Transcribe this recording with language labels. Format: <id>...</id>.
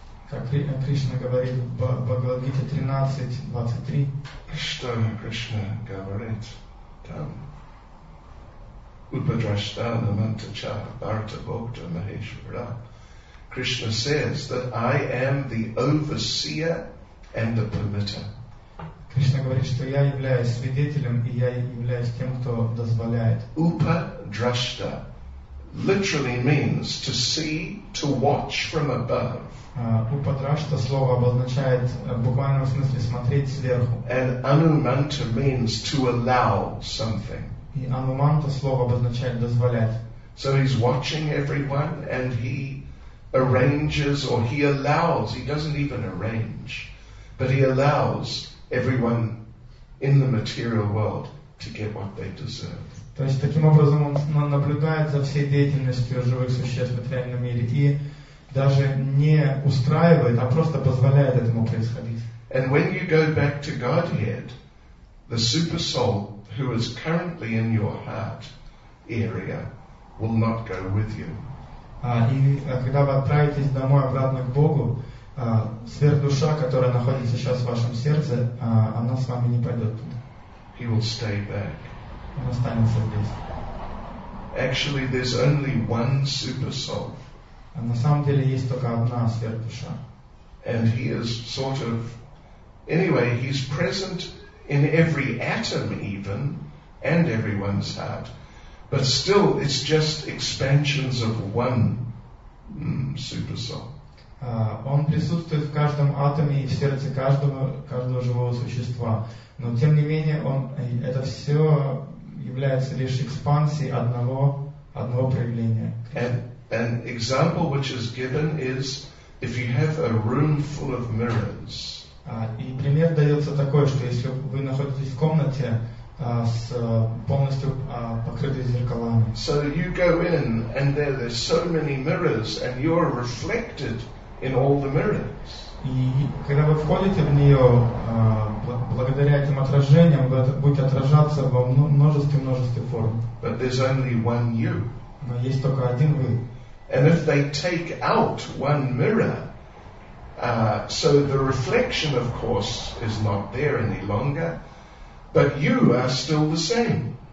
<ru>Как Кришна говорит в Бхагавад Гите 13:23. Что Кришна говорит там?</ru> <sa>Упадрашдана мантачапа барта бхокта махешвара.</sa> <en>Krishna says that I am the overseer and the permitter.</en> <ru>Кришна говорит, что я являюсь свидетелем и я являюсь тем, кто дозволяет.</ru> <en>Upadrashta literally means to see, to watch from above.</en> <ru>Upadrashta слово обозначает в буквальном смысле смотреть сверху.</ru> <en>And anumanta means to allow something.</en> <ru>И anumanta слово обозначает дозволять.</ru> <en>So he's watching everyone and he arranges or he allows, he doesn't even arrange, but he allows everyone in the material world to get what they deserve.</en> <ru>То есть таким образом он наблюдает за всей деятельностью живых существ в материальном мире и даже не устраивает, а просто позволяет этому происходить.</ru> <en>And when you go back to Godhead, the super soul who is currently in your heart area will not go with you.</en> <ru>И когда вы отправитесь домой обратно к Богу, сверхдуша, которая находится сейчас в вашем сердце, она с вами не пойдет туда.</ru> <en>He will stay back.</en> <ru>Он останется здесь.</ru> <en>Actually, there's only one super soul.</en> <ru>А на самом деле есть только одна сверхдуша.</ru> <en>And he is sort of, anyway, he's present in every atom even, and everyone's heart. But still, it's just expansions of one super soul.</en> <ru>Он присутствует в каждом атоме и в сердце каждого живого существа. Но тем не менее, это все является лишь экспансией одного проявления.</ru> <en>An example which is given is if you have a room full of mirrors.</en> <ru>И пример дается такой, что если вы находитесь в комнате с полностью покрытой зеркалами.</ru> <en>So you go in and there's so many mirrors and you're reflected in all the mirrors.</en> <ru>И когда вы входите в нее, благодаря этим отражениям вы будете отражаться во множестве форм.</ru> <en>But there's only one you.</en> <ru>Но есть только один вы.</ru> <en>And if they take out one mirror, so the reflection, of course, is not there any longer, but you are still the same.</en>